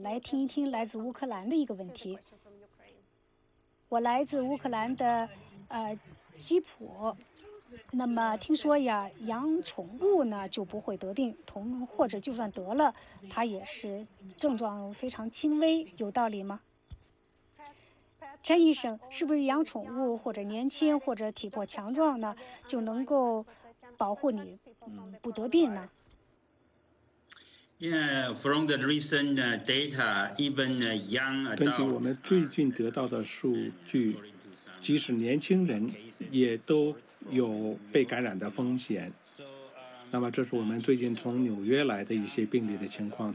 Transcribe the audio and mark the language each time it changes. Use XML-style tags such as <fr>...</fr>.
<zh>来听一听来自乌克兰的一个问题。我来自乌克兰的基普，那么听说呀，养宠物呢就不会得病，或者就算得了，它也是症状非常轻微，有道理吗？陈医生，是不是养宠物或者年轻或者体魄强壮呢，就能够保护你不得病呢？</zh> <en>Yeah, from the recent data, even young adults.</en> <zh>根据我们最近得到的数据，即使年轻人也都有被感染的风险。那么，这是我们最近从纽约来的一些病例的情况。</zh>